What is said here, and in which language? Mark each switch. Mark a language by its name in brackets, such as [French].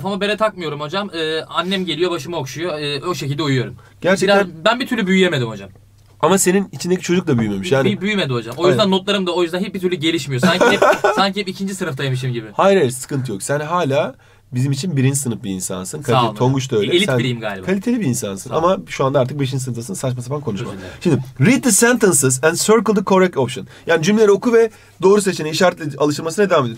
[Turkish] Kafama bere takmıyorum hocam. Annem geliyor başımı okşuyor. O şekilde uyuyorum. Gerçekten. Ben bir türlü büyüyemedim hocam. Ama senin içindeki çocuk da büyümemiş yani. Büyümedi hocam. O yüzden aynen. Notlarım da o yüzden hiçbir türlü gelişmiyor. Sanki hep ikinci sınıftaymışım gibi. Hayır sıkıntı yok. Sen hala bizim için birinci sınıf bir insansın. Sağ olun. Tonguç da öyle. Elit sen biriyim galiba. Kaliteli bir insansın. Ama şu anda artık beşinci sınıftasın. Saçma sapan konuşma. [English] Şimdi read the sentences and circle the correct option. [Turkish] Yani cümleleri oku ve doğru seçeneği işaretle alışılmasına devam ediyor.